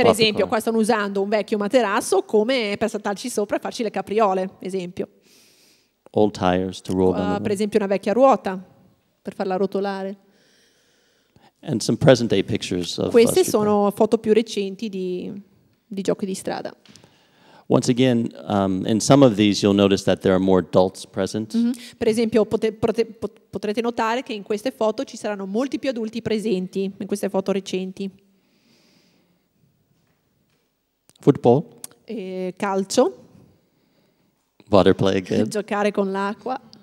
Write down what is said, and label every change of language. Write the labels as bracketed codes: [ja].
[it] per esempio, qua stanno usando un vecchio materasso come per saltarci sopra e farci le capriole, esempio. [en] Old tires to roll. [it] Per esempio, una vecchia ruota per farla rotolare. [en] And some present day pictures of [it] queste sono foto più recenti di giochi di strada. [en] Once again, in some of these you'll notice that there are more adults present. Mm-hmm. [it] Per esempio, potrete notare che in queste foto ci saranno molti più adulti presenti, in queste foto recenti. [en] Football. [it] Calcio. [en] Water play again. [it] Giocare con l'acqua.